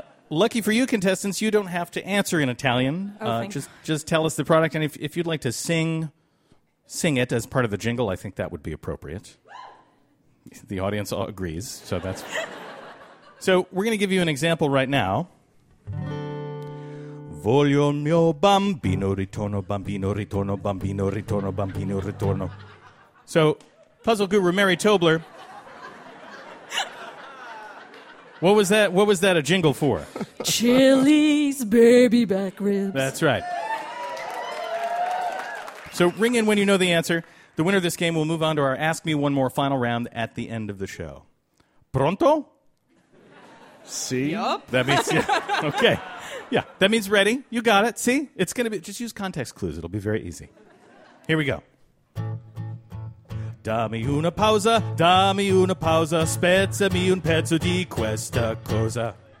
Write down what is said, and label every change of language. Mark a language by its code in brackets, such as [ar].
[en] Lucky for you, contestants, you don't have to answer in Italian. Oh, just tell us the product, and if you'd like to sing it as part of the jingle, I think that would be appropriate. The audience all agrees, so that's... So, we're going to give you an example right now. [it] Voglio il mio bambino ritorno, bambino ritorno, bambino ritorno, bambino ritorno. [en] So, puzzle guru Mary Tobler. What was that? What was that a jingle for? Chili's baby back ribs. That's right. So, ring in when you know the answer. The winner of this game will move on to our Ask Me One More final round at the end of the show. [it] Pronto? [en] See? Yup. That means, yeah. Okay. Yeah, that means ready. You got it. See? It's going to be, just use context clues. It'll be very easy. Here we go. [it] Dammi una pausa, spezzami un pezzo di questa cosa.